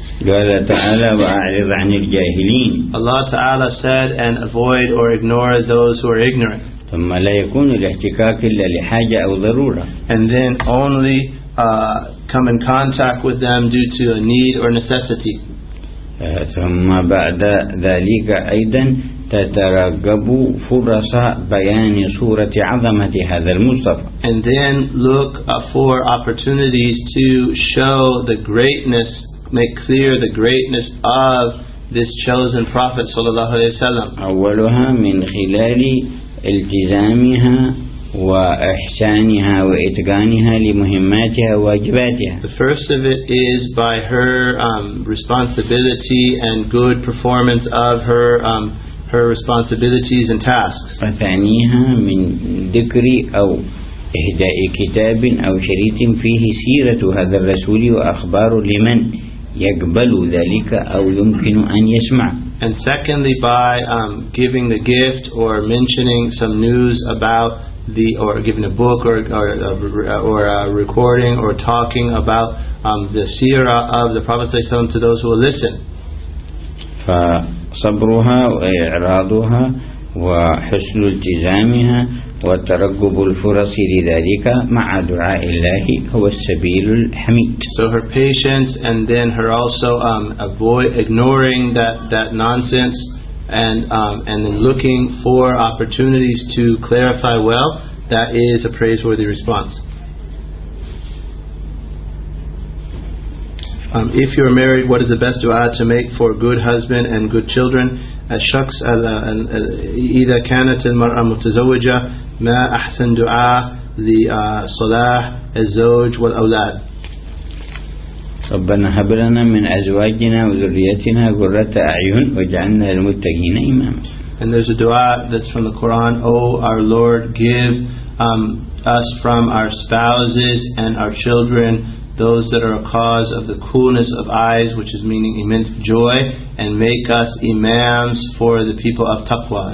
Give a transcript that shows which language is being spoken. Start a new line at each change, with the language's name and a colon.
Arabic: قال تعالى وأعرض عن الجاهلين.
English: Allah Ta'ala said and avoid or ignore those who are ignorant.
Arabic: ثم لا يكون الاحتكاك إلا لحاجة أو ضرورة.
English: And then only come in contact with them due to a need or necessity.
Arabic: ثم بعد ذلك أيضا تترقب فرص بيان صورة عظمة هذا المصطفى.
English: And then look for opportunities to show the greatness, make clear the greatness of this chosen prophet صلى الله عليه وسلم.
Arabic: أولها من خلال التزامها وإحسانها وإتقانها لمهماتها وواجباتها.
English: The first of it is by her responsibility and good performance of her her responsibilities and tasks.
Arabic: وثانيها من ذكر أو إهداء كتاب أو شريط فيه سيرة هذا الرسول وأخباره لمن يقبل ذلك أو يمكن أن يسمع.
English: And secondly by giving the gift or mentioning some news about the or giving a book or a recording or talking about the seerah of the Prophet ﷺ to those who will listen.
Arabic: فصبرها وإعراضها وحسن التزامها وترقب الفرص لذلك مع دعاء الله هو السبيل الحميد. So her patience and then her also avoid ignoring that nonsense and then looking for opportunities to clarify well, that is a praiseworthy response.
English: If you are married, what is the best dua to make for good husband and good children?
Arabic: الشخص إذا كانت المرأة متزوجة ما أحسن دعاء لصلاح الزوج والأولاد. ربنا هب لنا من أزواجنا وذريتنا قرة أعين واجعلنا للمتقين إماما.
English: And there's a dua that's from the Quran. Oh, our Lord, give us from our spouses and our children those that are a cause of the coolness of eyes, which is meaning immense joy, and make us imams for the people of taqwa.